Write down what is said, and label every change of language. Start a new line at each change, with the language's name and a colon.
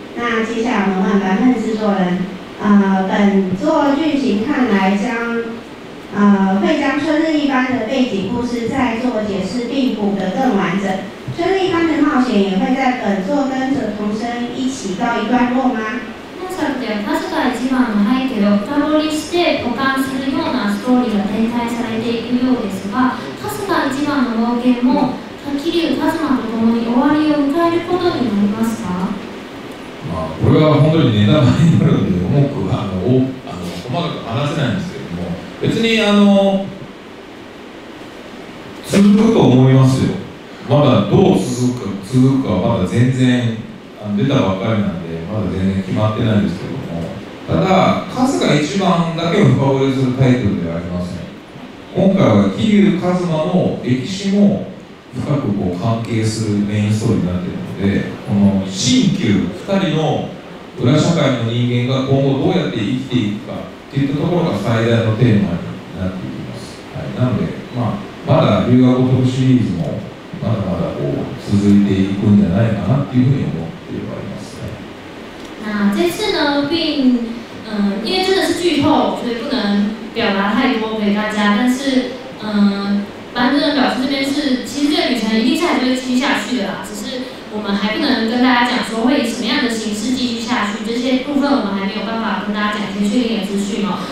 Chinese: 那接下来我们问版本制作人，本作剧情看来将会将春日一班的背景故事再做解释，并补得更完整。春日一班的冒险也会在本作跟着童声一起告一段落吗？那这个
Japanese: 《春日一班》的背景を深掘りして補完するようなストーリーが展開されていくようですが、《春日一班》の冒険も滝流カズマと共に終わりを迎えることになりますか？まあこれは本当にネタバレになるので、多くは細かく話せないんですけども、別に続くと思いますよ。まだどう続くかはまだ全然出たばっかりなんで、まだ全然決まってないんですけども、ただ春日一番だけを深掘りするタイトルではありません。今回は桐生一馬の歴史も深くこう関係するメインストーリーになっているので、この新旧2人の裏社会の人間が今後どうやって生きていくかといったところが最大のテーマになっていきます。はい、なので、まだ留学特シリーズもまだまだこう続いていくんじゃないかなというふうに思ってはいますね。
Chinese: 那这次呢，并因为真的是剧透，所以不能表达太多给大家。但是版本表示这边是，其实这个旅程一定下来就会继续下去的啦，只是我们还不能跟大家讲说会以什么样的形式继续下去，这些部分我们还没有办法跟大家讲一些确定的资讯哦。